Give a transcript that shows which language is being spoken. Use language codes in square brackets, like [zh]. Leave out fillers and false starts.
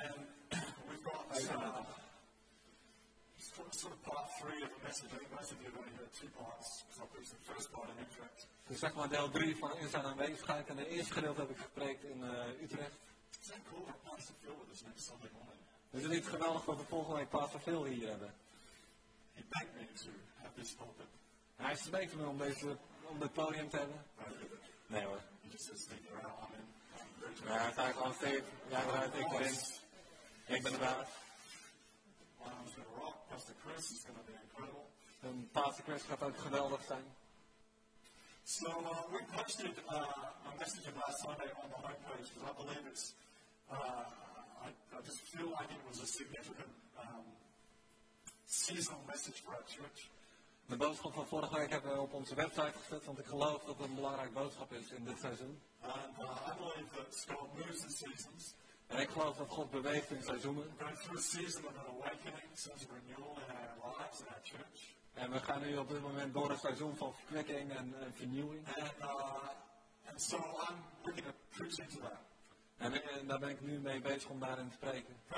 [en] and we've got sort of part three of the message. I think most of you have only heard two parts, because I'll preach the first part in Utrecht. [nl] Dus zeg maar deel 3 van In zijn aanwezigheid. En de eerste gedeelte heb ik gepreekt in Utrecht. Is het niet geweldig dat we volgende week Pastor Phil hier hebben? Hij smeekt me om dit podium te hebben. Nee hoor. Ja, hij zei gewoon steeds, ja, eruit, ik ben. Ik ben eruit. En Pastor Chris gaat ook geweldig zijn. [en] So we posted a message on last Sunday on the homepage because I believe it's I just feel like it was a significant seasonal message for our church. [nl] De boodschap van vorige week hebben we op onze website gezet, want ik geloof dat het een belangrijk boodschap is in dit seizoen. [en] And I believe that God moves in seasons. [nl] En ik geloof dat God beweegt in seizoenen. [en] Going through a season of an awakening, such a renewal in our lives and our church. [nl] En we gaan nu op dit moment door een seizoen van verkwikking en vernieuwing. En daar ben ik nu mee bezig om daarin te spreken.